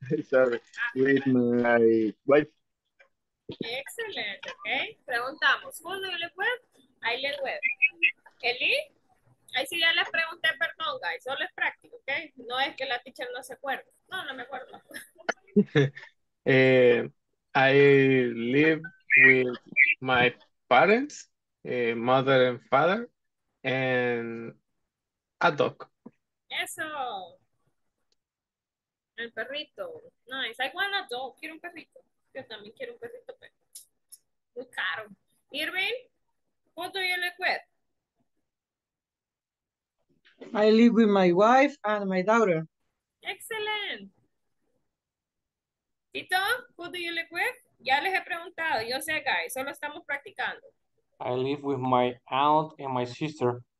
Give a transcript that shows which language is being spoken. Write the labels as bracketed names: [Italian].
[English] Sorry, with my wife. Excellent, okay. [Spanish] Preguntamos, [English] ¿who do you live with? I live with. [Spanish] Eli, ahí sí ya les pregunté, perdón, guys, solo es práctico, okay. No es que la teacher no se acuerde. No, no me acuerdo. [English] I live with my parents, mother and father, and a dog. [Spanish] Eso. El perrito. [English] Nice. I want a dog. [Spanish] Quiero un perrito. Yo también quiero un perrito, pero muy caro. [English] Irving, who do you live with? I live with my wife and my daughter. Excellent. [Spanish] Tito, [English] who do you live with? [Spanish] Ya les he preguntado, yo sé, guys, solo estamos practicando. [English] I live with my aunt and my sister.